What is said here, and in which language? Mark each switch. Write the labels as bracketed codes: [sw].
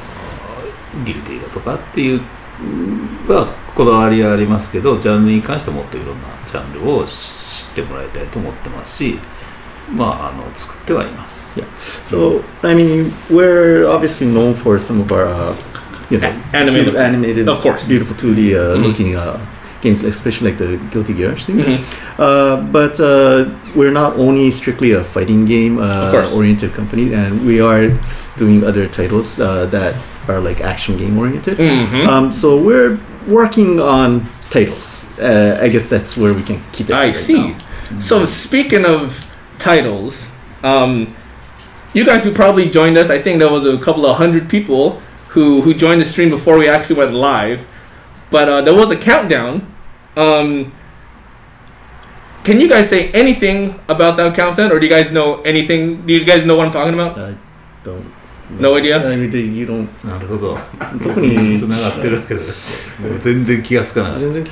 [ja] まあそういう意味ではうちの会社は格闘ゲームだけじゃなくていろんなジャンルのゲームを作ってて、まあその中でアクションゲームも作ってますし、まあそういう意味ではこうあのギルティーだとかっていう。まあ、こだわりありますけど、ジャンルに関してはもっといろんなジャンルを知ってもらいたいと思ってますし、まあ、作ってはいます。So, [en] I mean, we're obviously known for some of our, animated, of course, beautiful 2D looking games, especially like the Guilty Gear things. But we're not only strictly a fighting game oriented company, and we are doing other titles that are like action game oriented. So we're working on titles. I guess that's where we can keep it. I see. Now. So speaking of titles, you guys who probably joined us, I think there was a couple of hundred people who joined the stream before we actually went live. But there was a countdown. Can you guys say anything about that countdown, or do you guys know anything? Do you guys know what I'm talking about? I don't. No idea? I mean, you don't... [ja] なるほど。特に繋がってるわけだ。全然気がつかない。